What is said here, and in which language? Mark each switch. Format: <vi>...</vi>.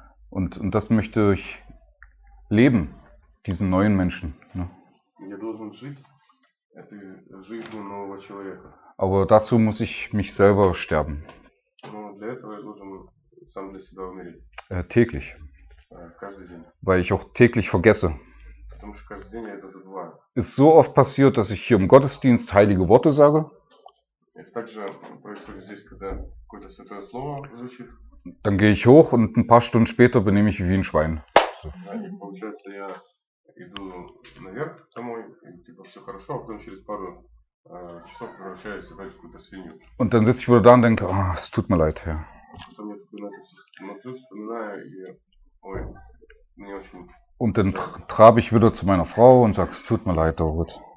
<de>Und das möchte ich leben, diesen neuen Menschen. Ne?</de> <ru>этой жизни нового человека.</ru> <de>Aber dazu muss ich mich selber sterben.</de> <ru>Но для этого я должен сам для себя умереть.</ru> <de>Täglich.</de> <ru>Каждый день.</ru> <de>Weil ich auch täglich vergesse.</de> <ru>Потому что каждый день я это забываю.</ru> <de>Ist so oft passiert, dass ich hier im Gottesdienst heilige Worte sage.</de> <ru>Это также происходит здесь, когда какое-то святое слово звучит.</ru> <de>Dann gehe ich hoch und ein paar Stunden später benehme ich mich wie ein Schwein. So.</de> <ru>Ja, получается, я иду наверх домой, и типа все хорошо, а потом через пару часов превращаюсь в какую-то свинью.</ru> <de>Und dann sitze ich wieder da und denke, oh, es tut mir leid, Herr.</de> <ru>Потом я такой на это смотрю, вспоминаю, и ой, мне очень...</ru> <de>Und dann trabe ich wieder zu meiner Frau und sage, es tut mir leid, David.</de>